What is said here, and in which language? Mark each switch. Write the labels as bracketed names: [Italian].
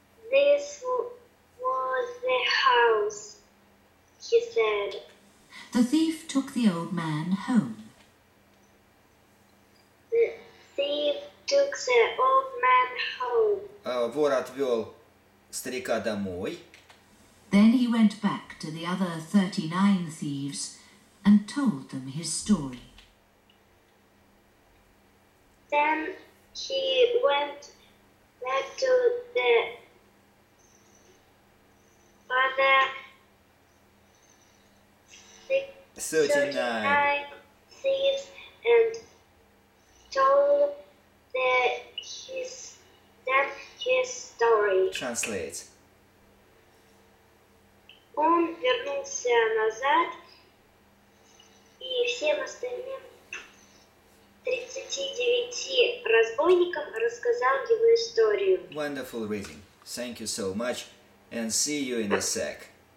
[English] This was the house, he said. The thief took the old man home. The thief took the old man home. [Russian] Вор отвел старика домой. [English] Then he went back to the other 39 thieves and told them his story. Then he went back to the other 39 thieves and told them his story. Translate. [Russian] Он вернулся назад и всем остальным 39 разбойникам рассказал его историю. [English] Wonderful reading. Thank you so much and see you in a sec.